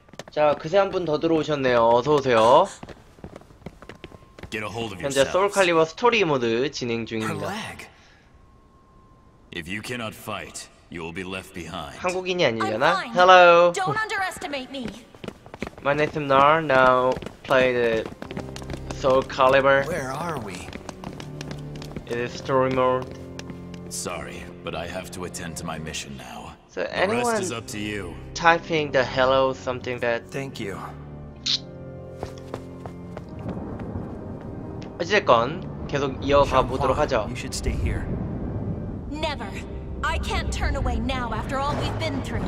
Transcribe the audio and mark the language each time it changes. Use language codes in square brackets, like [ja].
[ko] 자, 그새 한 분 더 들어오셨네요. 어서 오세요. 현재 소울 칼리버 스토리 모드 진행 중입니다. [en] If you cannot fight, you will be left behind. [ko] 한국인이 아니려나? [en] Hello. Don't underestimate me. My name is Nar. Now play the Soul Calibur. Where are we? It is story mode. Sorry, but I have to attend to my mission now. So anyone the rest is up to you. Typing the hello something that. Thank you. [ko] 어쨌건 계속 이어가 보도록 하죠. [en] You should stay here. Never. I can't turn away now after all we've been through.